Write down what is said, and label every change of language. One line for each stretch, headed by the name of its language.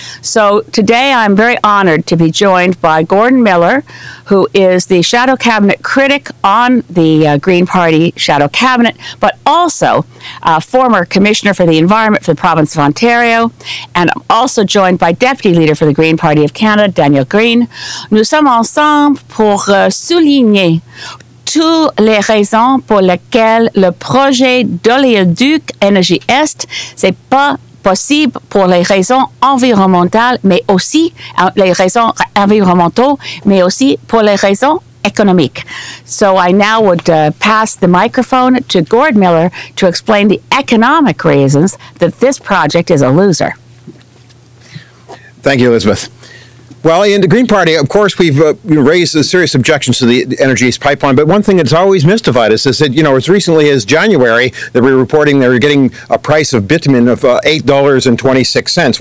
English: So today I'm very honored to be joined by Gordon Miller, who is the shadow cabinet critic on the Green Party shadow cabinet, but also a former commissioner for the environment for the province of Ontario. And I'm also joined by deputy leader for the Green Party of Canada, Daniel Green.
French: Nous sommes ensemble pour souligner toutes les raisons pour lesquelles le projet d'oléoduc Energy Est, c'est pas possible pour les raisons environnementales, mais aussi les raisons environnementales, mais aussi pour les raisons économiques.
English: So I now would pass the microphone to Gordon Miller to explain the economic reasons that this project is a loser. Thank you, Elizabeth. Well, in the Green Party, of course, we've raised serious objections to the Energy East pipeline, but one thing that's always mystified us is that, you know, as recently as January, that we were reporting they were getting a price of bitumen of $8.26.